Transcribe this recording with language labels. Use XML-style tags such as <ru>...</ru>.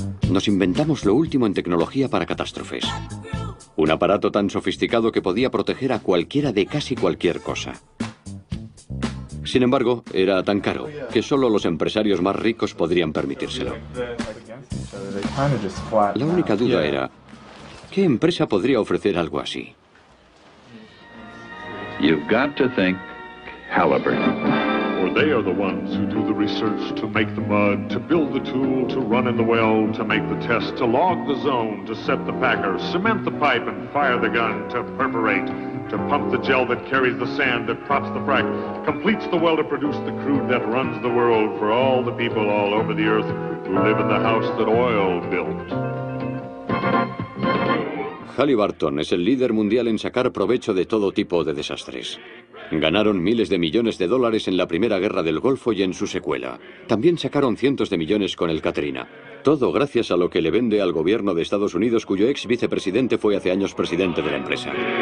<es>Nos inventamos lo último en tecnología para catástrofes. Un aparato tan sofisticado que podía proteger a cualquiera de casi cualquier cosa. Sin embargo, era tan caro que solo los empresarios más ricos podrían permitírselo. La única duda era, ¿qué empresa podría ofrecer algo así?</es> <en>You've got to think Halliburton. For they are the ones who do the research to make the mud, to build the tool, to run in the well, to make the test, to log the zone, to set the packer, cement the pipe and fire the gun, to perforate, to pump the gel that carries the sand, that props the frack, completes the well to produce the crude that runs the world for all the people all over the earth who live in the house that oil built.</en> <es>Halliburton es el líder mundial en sacar provecho de todo tipo de desastres. Ganaron miles de millones de dólares en la Primera Guerra del Golfo y en su secuela. También sacaron cientos de millones con el Katrina. Todo gracias a lo que le vende al gobierno de Estados Unidos, cuyo ex vicepresidente fue hace años presidente de la empresa.</es>